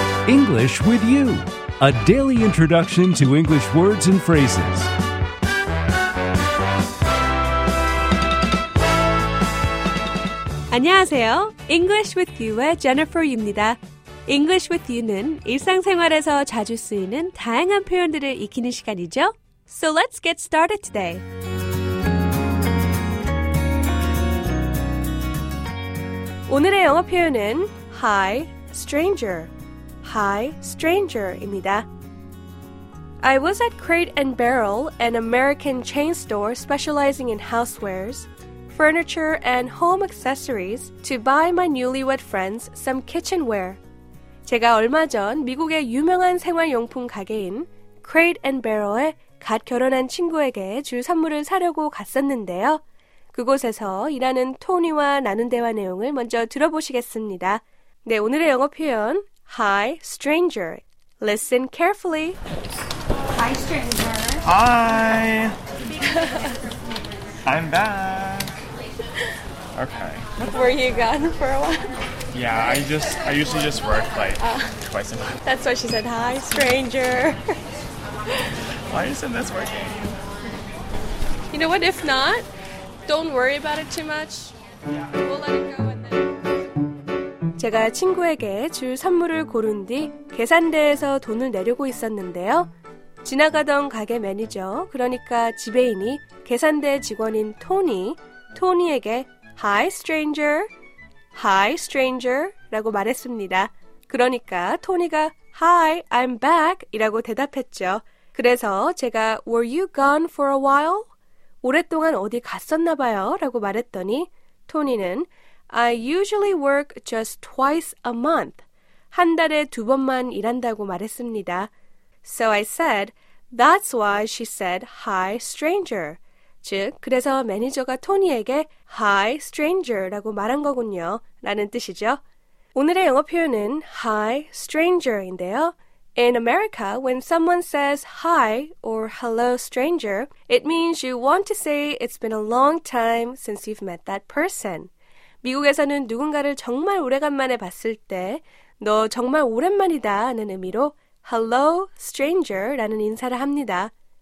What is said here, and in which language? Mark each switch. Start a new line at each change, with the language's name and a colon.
English: English with you, a daily introduction to English words and phrases.
Korean: Hello, English with you의 Jennifer입니다. English with you는 일상생활에서 자주 쓰이는 다양한 표현들을 익히는 시간이죠.
English: So let's get started today.
Korean: 오늘의 영어 표현은
English: Hi, Stranger. Hi, Stranger입니다. I was at Crate and Barrel, an American chain store specializing in housewares, furniture and home accessories to buy my newlywed friends some kitchenware.
Korean: 제가 얼마 전 미국의 유명한 생활용품 가게인 Crate and Barrel에 갓 결혼한 친구에게 줄 선물을 사려고 갔었는데요. 그곳에서 일하는 토니와 나눈 대화 내용을 먼저 들어보시겠습니다. 네, 오늘의 영어 표현
English: Hi, Stranger. Listen carefully. Hi, Stranger. Hi. I'm back. Okay. Were you gone for a while? Yeah, I usually just work like twice a month. That's why she said hi, Stranger. Why isn't this working? You know what, if not? Don't worry about it too much. Yeah. We'll let it go.
Korean: 제가 친구에게 줄 선물을 고른 뒤 계산대에서 돈을 내려고 있었는데요. 지나가던 가게 매니저, 그러니까 지배인이 계산대 직원인 토니에게
English: Hi, Stranger! Hi, Stranger!
Korean: 라고 말했습니다. 그러니까 토니가
English: Hi, I'm back!
Korean: 이라고 대답했죠. 그래서 제가
English: Were you gone for a while?
Korean: 오랫동안 어디 갔었나 봐요? 라고 말했더니 토니는
English: I usually work just twice a month.
Korean: 한 달에 두 번만 일한다고 말했습니다.
English: So I said, that's why she said hi, stranger.
Korean: 즉, 그래서 매니저가 토니에게
English: hi, stranger
Korean: 라고 말한 거군요. 라는 뜻이죠. 오늘의 영어 표현은
English: hi, stranger
Korean: 인데요.
English: In America, when someone says hi or hello, stranger, it means you want to say it's been a long time since you've met that person.
Korean: 미국에서는 누군가를 정말 오래간만에 봤을 때 너 정말 오랜만이다 하는 의미로
English: Hello, Stranger
Korean: 라는 인사를 합니다.